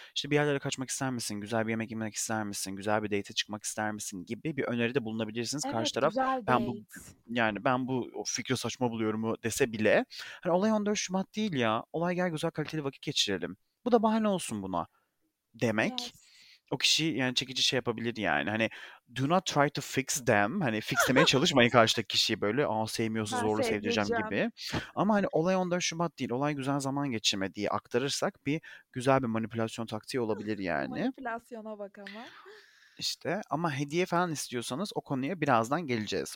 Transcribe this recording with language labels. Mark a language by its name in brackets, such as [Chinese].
[Turkish] İşte bir yerlere kaçmak ister misin? Güzel bir yemek yemek ister misin? Güzel bir date'e çıkmak ister misin? Gibi bir öneride bulunabilirsiniz. Karşı Evet, taraf güzel date. ben bu o fikri saçma buluyorum dese bile. Hani olay 14 Şubat değil ya. Olay gel güzel kaliteli vakit geçirelim. Bu da bahane olsun buna. Demek. [English] Yes. [Turkish] O kişi yani çekici şey yapabilir yani. [English] Hani do not try to fix them. [Turkish] Hani fixlemeye çalışmayın karşıdaki kişiyi böyle. Aa sevmiyorsa Ben zorla sevdireceğim sevdireceğim. gibi. Ama hani olay 14 Şubat değil. Olay güzel zaman geçirme diye aktarırsak bir güzel bir manipülasyon taktiği olabilir yani. Manipülasyona bak ama. İşte ama hediye falan istiyorsanız o konuya birazdan geleceğiz.